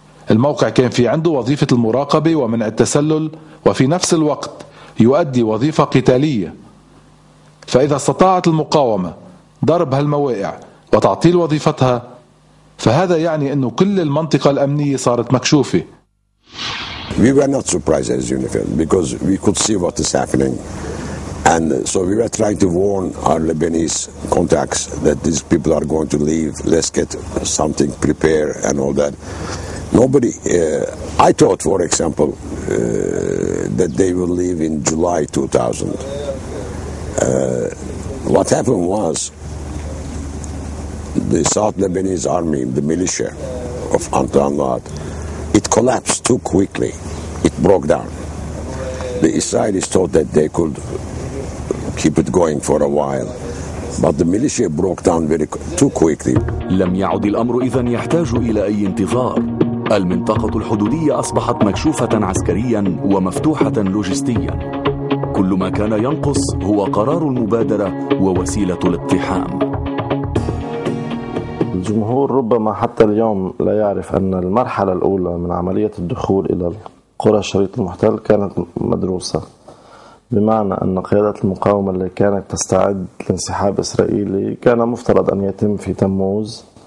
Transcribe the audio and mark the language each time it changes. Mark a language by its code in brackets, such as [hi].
[ar] الموقع كان في عنده وظيفة المراقبة ومنع التسلل وفي نفس الوقت يؤدي وظيفة قتالية، فإذا استطاعت المقاومة ضرب هالموائع وتعطيل وظيفتها فهذا يعني أنه كل المنطقة الأمنية صارت مكشوفة. [en] We were not surprised as UNIFIL because we could see what is happening and so we were trying to warn our Lebanese contacts that these people are going to leave, let's get something prepared and all that. Nobody, I thought for example that they will leave in July 2000. What happened was the South Lebanese army, the militia of Anton Lahat, it collapsed too quickly. It broke down. The Israelis thought that they could keep it going for a while. But the militia broke down very too quickly. [ar] لم يعد الأمر إذن يحتاج إلى أي انتظار. المنطقة الحدودية أصبحت مكشوفة عسكريا ومفتوحة لوجستيا. كل ما كان ينقص هو قرار المبادرة ووسيلة الاقتحام. الجمهور ربما حتى اليوم لا يعرف أن المرحلة الأولى من عملية الدخول إلى قرى الشريط المحتل كانت مدروسة، بمعنى أن قيادة المقاومة التي كانت تستعد لانسحاب إسرائيلي كان مفترض أن يتم في تموز.